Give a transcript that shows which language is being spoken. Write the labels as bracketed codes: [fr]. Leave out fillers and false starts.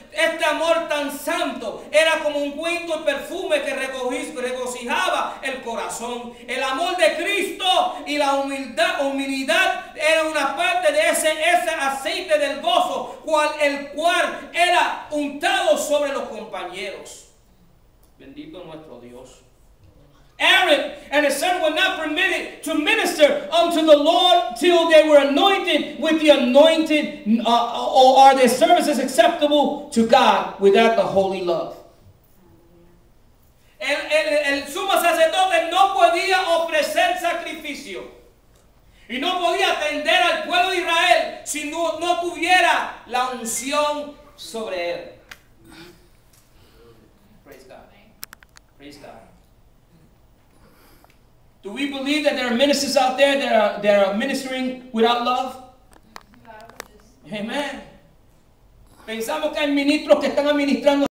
[es] Este amor tan santo era como un cuento de perfume que regocijaba el corazón. El amor de Cristo y la humildad era una parte de ese aceite del gozo, el cual era untado sobre los compañeros. Bendito nuestro Dios. [en] Aaron and his son were not permitted to minister unto the Lord till they were anointed with the anointing, or are their services acceptable to God without the holy love. [es] El sumo sacerdote no podía ofrecer sacrificio. y no podía atender al pueblo de Israel si no tuviera la unción sobre él. [en] Praise God. Praise God. Do we believe that there are ministers out there that are ministering without love? [es] Amen. Pensamos que hay ministros que están administrando.